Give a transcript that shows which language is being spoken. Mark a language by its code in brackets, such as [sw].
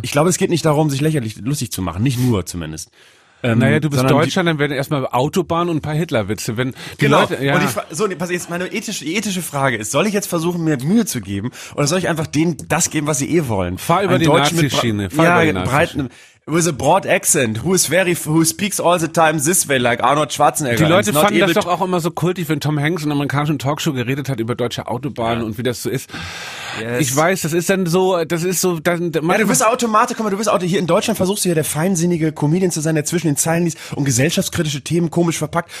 [de] Ich glaube, es geht nicht darum, sich lächerlich lustig zu machen. Nicht nur, zumindest. Du bist Deutscher, dann werden erstmal Autobahnen und ein paar Hitlerwitze. Wenn die Leute, ja. Und pass jetzt, meine ethische Frage ist, soll ich jetzt versuchen, mir Mühe zu geben, oder soll ich einfach denen das geben, was sie eh wollen? Fahr über die Nazi-Schiene. Breiten, [en] With a broad accent, who speaks all the time this way, like Arnold Schwarzenegger. [de] Die Leute fanden das doch auch immer so kultig, wenn Tom Hanks in einer amerikanischen Talkshow geredet hat über deutsche Autobahnen und wie das so ist. [en] Yes. [de] Ich weiß, du bist Automatiker, guck mal, hier in Deutschland versuchst du ja der feinsinnige Comedian zu sein, der zwischen den Zeilen liest und gesellschaftskritische Themen komisch verpackt.